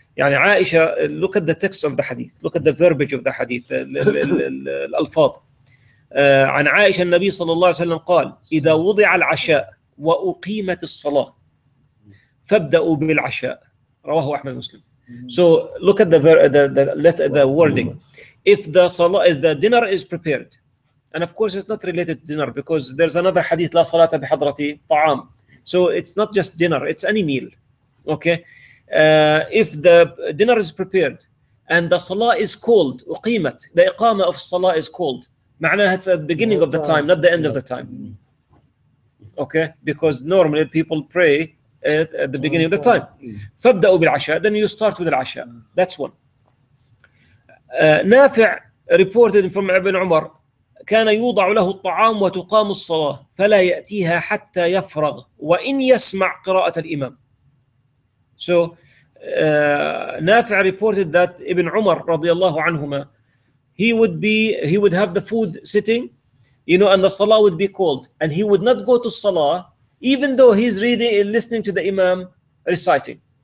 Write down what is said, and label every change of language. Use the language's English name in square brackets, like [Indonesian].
[Arabic] يعني [English] عائشة, look at the text of the hadith, look at the verbiage of the hadith, [Arabic] الألفاظ. عن عائشة النبي صلى الله عليه وسلم قال إذا وضع العشاء وأقيمت الصلاة فابدأوا بالعشاء. رواه أحمد مسلم. [English] So look at the wording. If the salah, if the dinner is prepared, and of course it's not related to dinner because there's another hadith, [Arabic] la salata bihadrati ta'am. [English] So it's not just dinner, it's any meal. Okay. If the dinner is prepared and the salah is called, uqimat, the iqama of salah is called, ma'anah it's at the beginning of the time, not the end of the time. Okay, because normally people pray at the beginning of the time. [Arabic] فابدأوا بالعشاء, [English] then you start with العشاء. That's one. [Arabic] نافع [English] reported from [Arabic] Ibn Umar, كان يوضع له الطعام وتقام الصلاة فلا يأتيها حتى يفرغ وإن يسمع قراءة الإمام. [English] So نافع reported that Ibn Umar [Arabic] رضي الله عنهما, [English] he would have the food sitting, you know, and the salah would be called, and he would not go to salah even though he's reading and listening to the Imam reciting.